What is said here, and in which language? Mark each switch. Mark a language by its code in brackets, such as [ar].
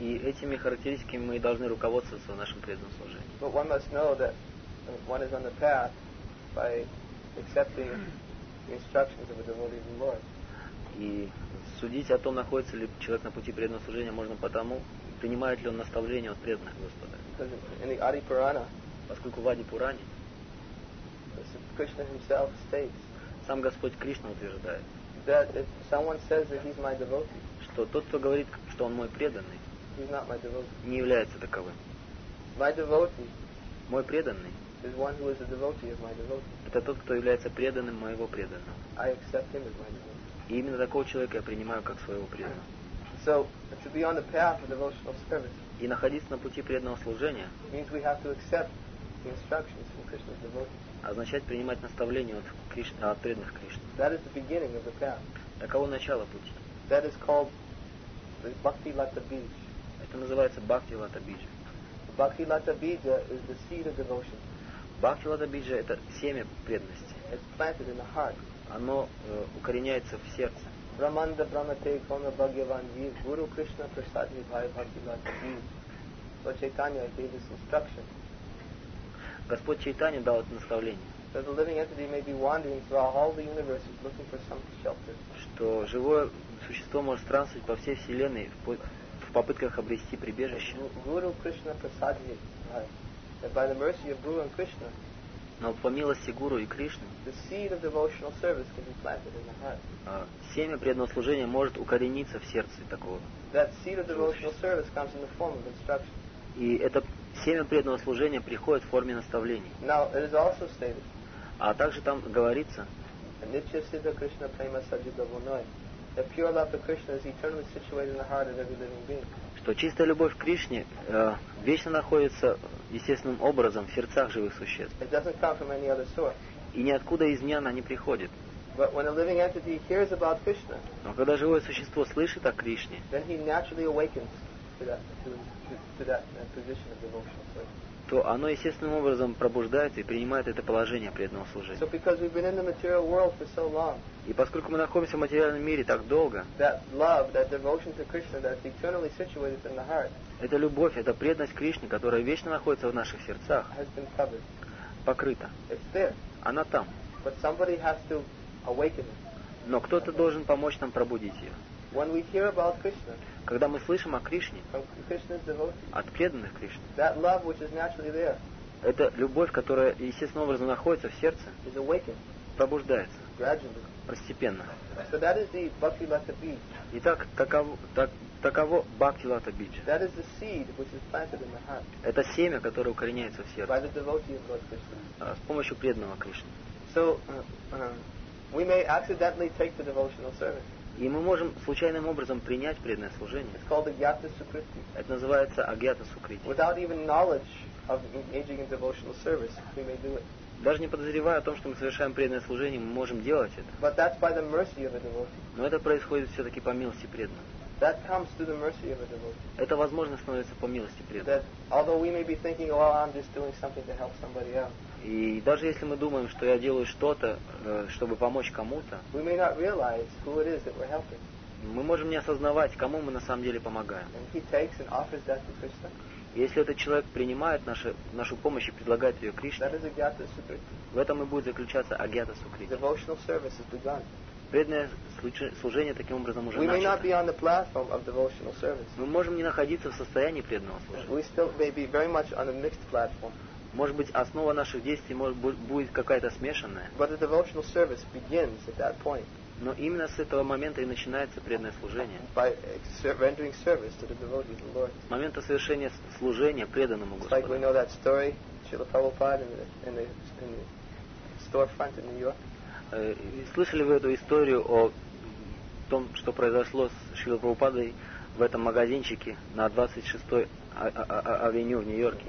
[ru] И этими характеристиками мы должны руководствоваться в нашем преданном служении. [en] But one must know that one is on the path by accepting the instructions of a devotee of the Lord. [ru] И судить о том, находится ли человек на пути преданного служения, можно потому, принимает ли он наставления от преданных Господа. [en] In the Adi Purana, [ru] поскольку в Ади Пуране [en] Krishna himself states, [ru] сам Господь Кришна утверждает, [en] that if someone says that he's my devotee, [ru] что тот, кто говорит, что он мой преданный, [en] he's not my devotee, [ru] не является таковым. [en] My devotee, [ru] мой преданный, [en] is one who is a devotee of my devotee. [ru] Это тот, кто является преданным моего преданного. [en] I accept him as my devotee. [ru] И именно такого человека я принимаю как своего преданного. [en] So, to be on the path of devotional service, [ru] и находиться на пути преданного служения, [en] means we have to accept the instructions from Krishna's devotees. [ru] Означает принимать наставления от Кришны, от преданных Кришны. [en] That is the beginning of the path. [ru] Таково начало пути. [en] That is called the Bhakti Lata Bija. [ru] Это называется Бхакти Лата Биджа. [en] Bhakti Lata Bija is the seed of devotion. [ru] Бхакти Лата Биджа — это семя преданности. [en] It's planted in the heart. [ru] Оно укореняется в сердце. [sa] Раманда Брамате Кона Бхагаван Ви Гуру Кришна Прасадни Бхай Бхакти Лата Бидж. [en] So Chaitanya gave this instruction. [ru] Господь Чайтанья дал это наставление. [en] That the living entity may be wandering throughout all the universes looking for some shelter. [ru] Что живое существо может странствовать по всей вселенной в попытках обрести прибежище. [sa] Гуру Кришна Прасадни. [en] By the mercy of Guru and Krishna, [ru] но по милости Гуру и Кришны, [en] the seed of devotional service can be planted in the heart. [ru] Семя преданного служения может укорениться в сердце такого. [en] That seed of devotional service comes in the form of instruction. [ru] И это семя преданного служения приходит в форме наставлений. [en] Now it is also stated. [ru] А также там говорится. [sa] Nitya siddha Krishna prema sajjita vunoy. [en] The pure love of Krishna is eternally situated in the heart of every living being. [ru] Что чистая любовь к Кришне вечно находится естественным образом в сердцах живых существ. [en] It doesn't come from any other source. [ru] И ниоткуда из нее она не приходит. [en] But when a living entity hears about Krishna, [ru] но когда живое существо слышит о Кришне, [en] then he naturally awakens to that position of devotional service. [ru] То оно естественным образом пробуждается и принимает это положение преданного служения. [en] So so long, [ru] и поскольку мы находимся в материальном мире так долго, [en] that love, that devotion to Krishna, that's eternally situated in the heart, [ru] эта любовь, эта преданность Кришне, которая вечно находится в наших сердцах, [en] has been covered. [ru] Покрыта. [en] It's there. [ru] Она там. [en] But somebody has to awaken it. [ru] Но кто-то должен помочь нам пробудить ее. [en] When we hear about Krishna, [ru] когда мы слышим о Кришне, от преданных Кришне, [en] that love, which is naturally there, [ru] эта любовь, которая естественным образом находится в сердце, пробуждается. Постепенно. [en] So that is the Bhakti Lata Beach. [ru] Итак, таково Бхакти Лата Бич. [en] That is the seed which is planted in the heart. [ru] Это семя, которое укореняется в сердце. [en] By the devotee of Lord Krishna. [ru] С помощью преданного Кришны. [en] So we may accidentally take the devotional service. [ru] И мы можем случайным образом принять преданное служение. [en] It's called agyata sukriti. [ru] Это называется агьята сукрити. [en] Without even knowledge of engaging in devotional service, we may do it. [ru] Даже не подозревая о том, что мы совершаем преданное служение, мы можем делать это. [en] But that's by the mercy of a devotee. [ru] Но это происходит все-таки по милости преданного. [en] That comes through the mercy of a devotee. [ru] Это возможно становится по милости преданного. [en] That although we may be thinking, well, I'm just doing something to help somebody else. [ru] И даже если мы думаем, что я делаю что-то, чтобы помочь кому-то, [en] we may not realize who it is that we're helping. [ru] Мы можем не осознавать, кому мы на самом деле помогаем. [en] And he takes and offers that to Krishna. [ru] Если этот человек принимает нашу помощь и предлагает ее Кришне, в этом и будет заключаться агьята сукрити. [en] Devotional service has begun. [ru] Преданное служение таким образом уже начато. [en] We may not be on the platform of devotional service. [ru] Мы можем не находиться в состоянии преданного служения. [en] We still may be very much on a mixed platform. [ru] Может быть, основа наших действий будет какая-то смешанная. [en] But the devotional service begins at that point. [ru] Но именно с этого момента и начинается преданное служение. [en] By rendering service to the devotee, the Lord. [ru] С момента совершения служения преданному Господу. [en] Like we know that story, Srila Prabhupada in the storefront in New York. [ru] Слышали вы эту историю о том, что произошло с Шрилой Прабхупадой в этом магазинчике на 26-й авеню в Нью-Йорке?